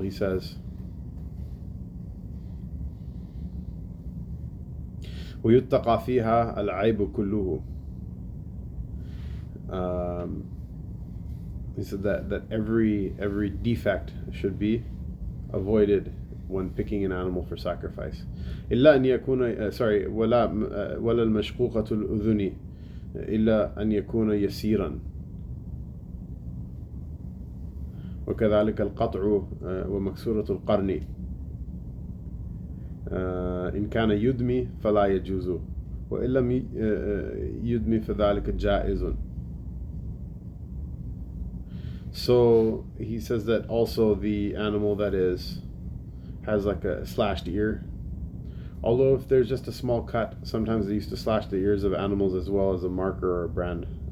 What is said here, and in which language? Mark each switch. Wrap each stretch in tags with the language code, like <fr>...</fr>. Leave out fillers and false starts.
<en>He says,</en> <ar>ويتقى فيها العيب كله.</ar> <en>He said that every defect should be avoided when picking an animal for sacrifice.</en> <ar>إلا أن يكون</ar> <en>sorry</en> <ar>ولا المشقوقة الأذن إلا أن يكون يسيرا وكذلك القطع ومكسورة القرن إن كان يدمي فلا يجوز وإن لم يدمي فذلك جائز.</ar> <en>So he says that also the animal that is has like a slashed ear, although if there's just a small cut, sometimes they used to slash the ears of animals as well as a marker or a brand.</en>